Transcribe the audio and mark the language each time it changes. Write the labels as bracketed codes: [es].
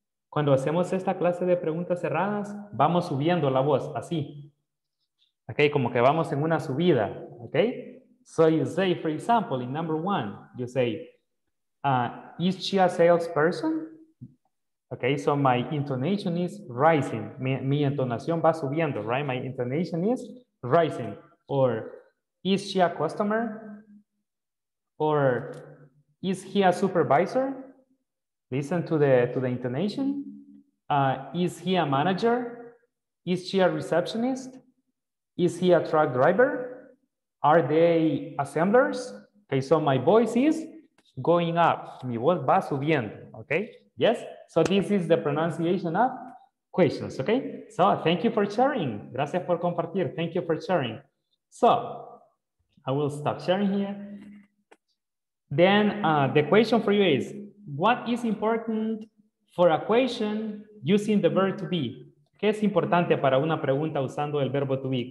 [es] Cuando hacemos esta clase de preguntas cerradas, vamos subiendo la voz, así. Okay, como que vamos en una subida. Okay. [en] So you say, for example, in number one, you say, is she a salesperson? Okay, so my intonation is rising. [es] Mi entonación va subiendo, [en] right? My intonation is rising. Or, is she a customer? Or, is he a supervisor? Listen to the intonation. Is he a manager? Is she a receptionist? Is he a truck driver? Are they assemblers? Okay, so my voice is going up. [es] Mi voz va subiendo, [en] okay? Yes? So this is the pronunciation of questions, okay? So thank you for sharing. [es] Gracias por compartir. [en] Thank you for sharing. So I will stop sharing here. Then the question for you is, what is important for a question using the verb to be? [es] ¿Qué es importante para una pregunta usando el verbo to be?